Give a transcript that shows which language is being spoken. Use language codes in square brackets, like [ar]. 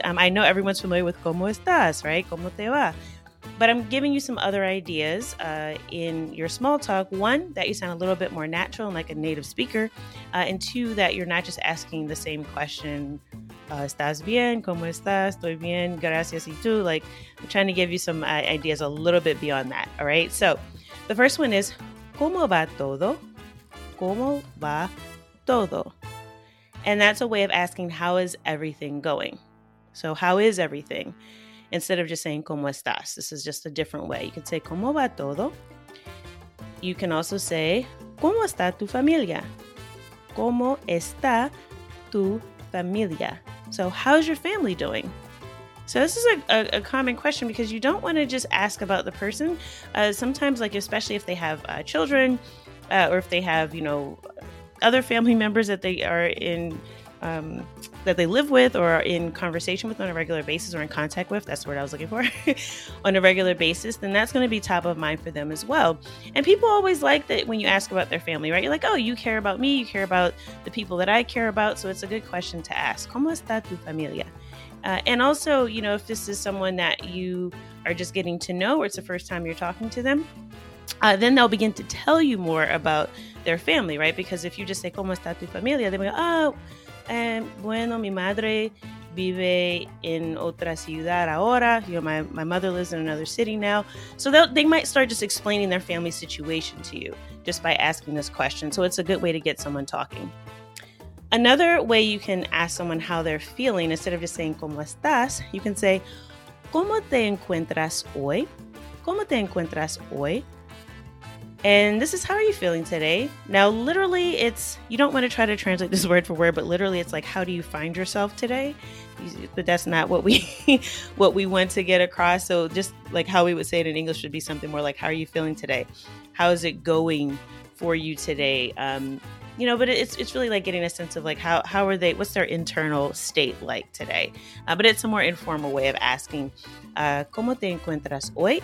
[en] I know everyone's familiar with [es] ¿Cómo estás? [en] Right? [es] ¿Cómo te va? [en] But I'm giving you some other ideas in your small talk. One, that you sound a little bit more natural and like a native speaker. And two, that you're not just asking the same question. [es] ¿Estás bien? ¿Cómo estás? ¿Estoy bien? Gracias. ¿Y tú? [en] Like, I'm trying to give you some ideas a little bit beyond that. All right. So the first one is, [es] ¿Cómo va todo? ¿Cómo va todo? [en] And that's a way of asking, how is everything going? So how is everything? Instead of just saying, [es] ¿Cómo estás? [en] This is just a different way. You can say, [es] ¿Cómo va todo? [en] You can also say, [es] ¿Cómo está tu familia? ¿Cómo está tu familia? [en] So how's your family doing? So this is a common question because you don't want to just ask about the person. Sometimes, like especially if they have children or if they have, you know, other family members that they are in that they live with or are in conversation with on a regular basis or in contact with, that's the word I was looking for, on a regular basis, then that's going to be top of mind for them as well. And people always like that when you ask about their family, right? You're like, oh, you care about me. You care about the people that I care about. So it's a good question to ask. [es] ¿Cómo está tu familia? [en] And also, you know, if this is someone that you are just getting to know or it's the first time you're talking to them, then they'll begin to tell you more about their family, right? Because if you just say, [es] ¿Cómo está tu familia? [en] They'll go, oh, [es] bueno, mi madre vive en otra ciudad ahora. [en] You know, my mother lives in another city now. So they might start just explaining their family situation to you just by asking this question. So it's a good way to get someone talking. Another way you can ask someone how they're feeling, instead of just saying, [es] ¿Cómo estás? [en] You can say, [es] ¿Cómo te encuentras hoy? ¿Cómo te encuentras hoy? [en] And this is, how are you feeling today? Now, literally, it's, you don't want to try to translate this word for word, but literally it's like, how do you find yourself today? But that's not what we what we want to get across. So just like how we would say it in English would be something more like, how are you feeling today? How is it going for you today? You know, but it's really like getting a sense of like, how are they, what's their internal state like today? But it's a more informal way of asking, [es] ¿Cómo te encuentras hoy?